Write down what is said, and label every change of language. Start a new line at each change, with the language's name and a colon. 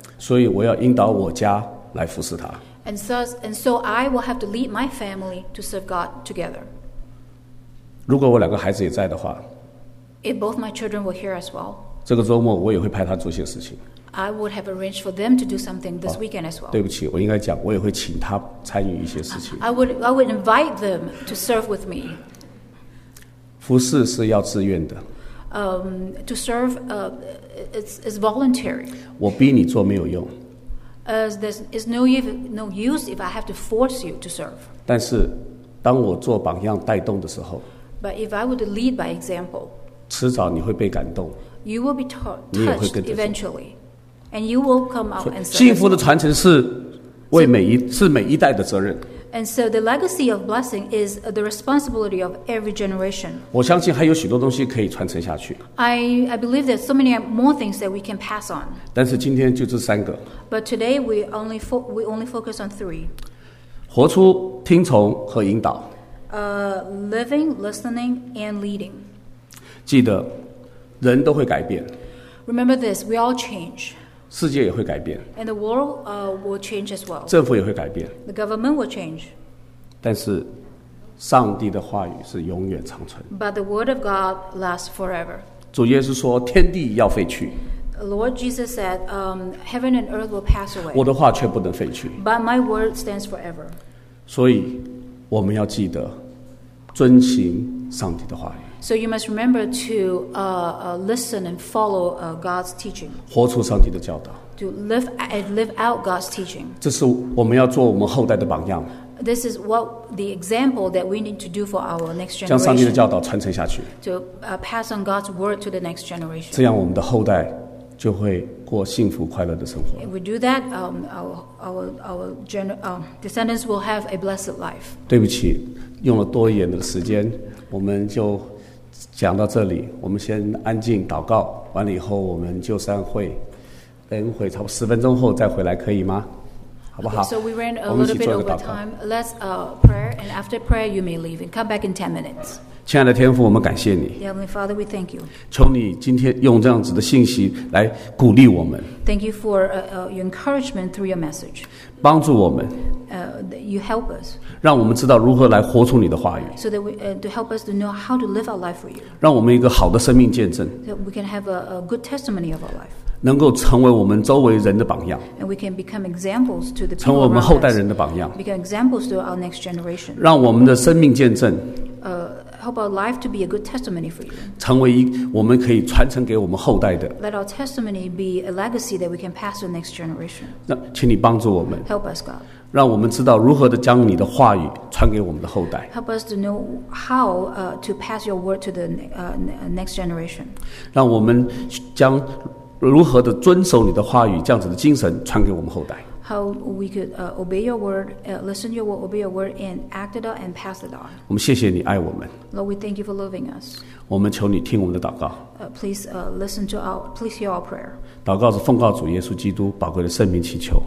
Chinese: 所以我要引导我家来服侍他。
English: And so I will have to lead my family to serve God together.
Chinese: 如果我两个孩子也在的话。
English: If both my children were here as well.
Chinese: 这个周末我也会派他做些事情。
English: I would have arranged for them to do something this weekend as well.
Chinese: 对不起，我应该讲，我也会请他参与一些事情。
English: I would invite them to serve with me.
Chinese: 服侍是要自愿的。
English: To serve, it's voluntary.
Chinese: 我逼你做没有用。
English: There's no use if I have to force you to serve.
Chinese: 但是，当我做榜样带动的时候
English: ，But if I would lead by example,
Chinese: 迟早你会被感动。
English: You will be touched eventually. And you will come up and serve.
Chinese: 幸福的传承是为每一 是每一代的责任。
English: And so the legacy of blessing is the responsibility of every generation.
Chinese: 我相信还有许多东西可以传承下去。
English: I believe there's so many more things that we can pass on.
Chinese: 但是今天就这三个。
English: But today we only focus on three.
Chinese: 活出听从和引导。
English: Living, listening, and leading.
Chinese: 记得，人都会改变。
English: Remember this, we all change.
Chinese: 世界也会改变
English: and the world, will change as well.
Chinese: 政府也会改变
English: the government will change.
Chinese: 但是上帝的话语是永远长存
English: but the word of God lasts forever.
Chinese: 主耶稣说天地要废去
English: Lord Jesus said, heaven and earth will pass away.
Chinese: 我的话却不能废去
English: but my word stands forever.
Chinese: 所以我们要记得遵行上帝的话语
English: So you must remember to listen and follow God's teaching.
Chinese: 活出上帝的教导。
English: To live and live out God's teaching.
Chinese: 这是我们要做我们后代的榜样。
English: This is what the example that we need to do for our next generation.
Chinese: 将上帝的教导传承下去。
English: To pass on God's word to the next generation.
Chinese: 这样我们的后代就会过幸福快乐的生活。
English: If we do that, our descendants will have a blessed life.
Chinese: 对不起，用了多一点的时间，我们就。讲到这里，我们先安静祷告，完了以后我们就散会，等会差不多十分钟后再回来，可以吗？好不好？
English: Okay, so we ran a little bit over time. Let's prayer, and after prayer you may leave and come back in 10 minutes.
Chinese: 亲爱的天父，我们感谢你。
English: Heavenly Father, we thank you.
Chinese: 求你今天用这样子的信息来鼓励我们。
English: Thank you for your encouragement through your message.
Chinese: 帮助我们。
English: You help us.
Chinese: 让我们知道如何来活出你的话语。
English: So that we to help us to know how to live our life for you.
Chinese: 让我们一个好的生命见证。
English: So we can have a good testimony of our life.
Chinese: 能够成为我们周围人的榜样。
English: And we can become examples to the people.
Chinese: 成为我们后代人的榜样。
English: Become examples to our next generation.
Chinese: 让我们的生命见证。
English: Help our life to be a good testimony for you.
Chinese: 成为一我们可以传承给我们后代的。
English: Let our testimony be a legacy that we can pass to the next generation.
Chinese: 那请你帮助我们。
English: Help us, God.
Chinese: 让我们知道如何的将你的话语传给我们的后代。
English: Help us to know how to pass your word to the next generation.
Chinese: 让我们将如何的遵守你的话语这样子的精神传给我们后代。
English: How we could obey your word, listen your word, obey your word, and act it out and pass it on.
Chinese: 我们谢谢你爱我们。
English: Lord, we thank you for loving us.
Chinese: 我们求你听我们的祷告。
English: Please hear our prayer.
Chinese: 祷告是奉告主耶稣基督宝贵的圣名祈求。